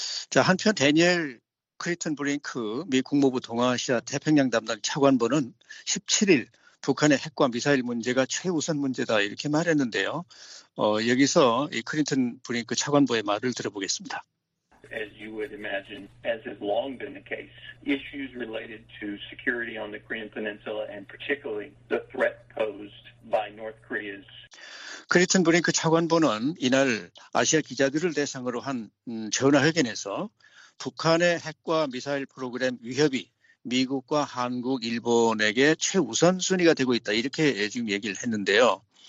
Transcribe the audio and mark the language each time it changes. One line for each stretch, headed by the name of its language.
Korean: 자, 한편 대니엘 크리튼 브링크 미 국무부 동아시아 태평양 담당 차관보는 17일 북한의 핵과 미사일 문제가 최우선 문제다, 이렇게 말했는데요. 여기서 이 크린튼 브링크 차관보의 말을 들어보겠습니다.
English: as you would imagine, as has long been the case, issues related to security on the Korean Peninsula and particularly the threat posed by North Korea's
Korean: 크리튼 브링크 차관보는 이날 아시아 기자들을 대상으로 한 전화회견에서 북한의 핵과 미사일 프로그램 위협이 미국과 한국, 일본에게 최우선 순위가 되고 있다 이렇게 지금 얘기를 했는데요.